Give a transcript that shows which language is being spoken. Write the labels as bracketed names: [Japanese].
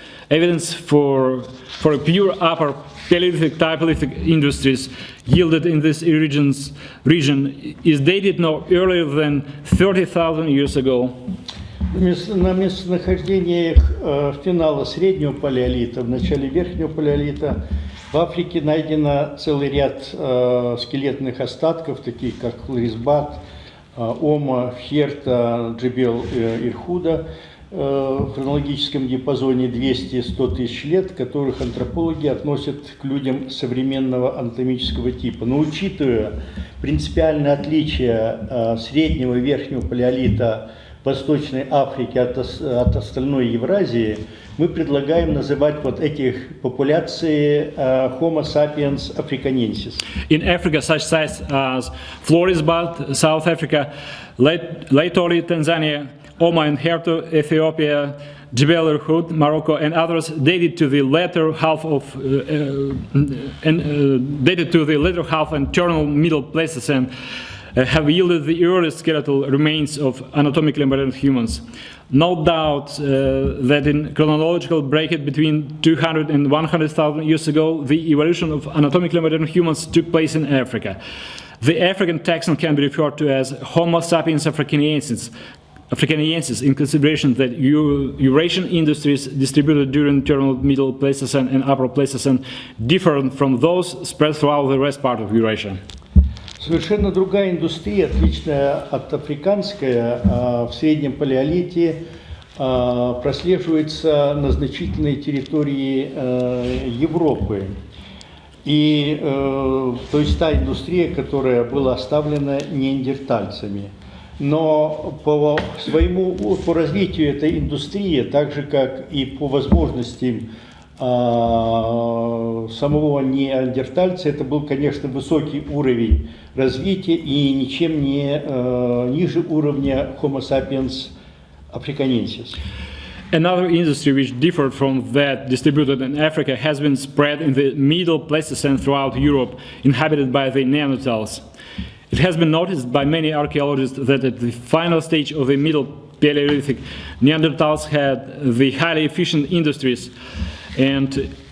[English] Evidence for a pure upper Paleolithic type lithic industries yielded in this region is dated no earlier than 30,000 years ago. [Russian] На местонахождениях финала среднего палеолита, в начале верхнего палеолита, в Африке найдено целый ряд скелетных остатков, таких как Лрисбат, Ома, Херта, Джибел Ирхуда, в хронологическом диапазоне 200-100 тысяч лет, которых антропологи относят к людям современного анатомического типа. Но учитывая принципиальное отличие среднего и верхнего палеолита Восточной Африки от остальной Евразии, мы предлагаем называть вот этих популяции Homo sapiens africanensis. [English] In Africa, such sites as Florisbad, South Africa, Laetoli, Tanzania, Oma and Herto, Ethiopia, Jebel Irhoud, Morocco, and others dated to the latter half and terminal middle Pleistocene have yielded the earliest skeletal remains of anatomically modern humans. No doubt that in chronological bracket between 200 and 100,000 years ago, the evolution of anatomically modern humans took place in Africa. The African taxon can be referred to as Homo sapiens africanensis. Africanensis, in consideration that Eurasian industries distributed during terminal middle Pleistocene and upper Pleistocene differed from those spread throughout the rest part of Eurasia. [Russian] Совершенно другая индустрия, отличная от африканской, в среднем палеолите прослеживается на значительной территории Европы. И то есть та индустрия, которая была оставлена неандертальцами. Но по развитию этой индустрии, так же как и по возможностям самого неандертальца, это был, конечно, высокий уровень развития и ничем не ниже уровня Homo sapiens africanensis. [English] Another industry which differed from that distributed in Africa has been spread in the middle Pleistocene throughout Europe, inhabited by the Neanderthals. It has been noticed by many archaeologists that at the final stage of the Middle Paleolithic, Neanderthals had the highly efficient industries and